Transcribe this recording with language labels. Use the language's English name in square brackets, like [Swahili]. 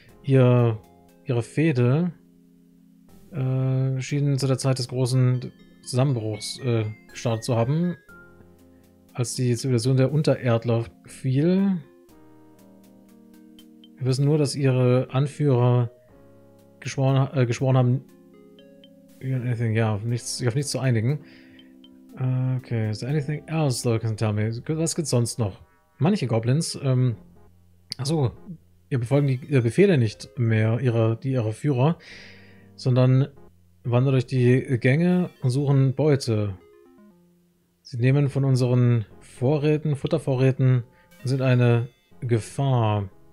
[German] Ihre Fehde schien zu der Zeit des großen Zusammenbruchs gestartet zu haben, als die Zivilisation der Untererdler fiel. Wir wissen nur, dass ihre Anführer geschworen haben, anything, ja, auf nichts zu einigen. [English] Okay, is there anything else, though, can tell me? [German] Was gibt's sonst noch? Manche Goblins, ihr befolgen die Befehle nicht mehr, ihre Führer, sondern wandern durch die Gänge und suchen Beute. Sie nehmen von unseren Futtervorräten und sind eine Gefahr.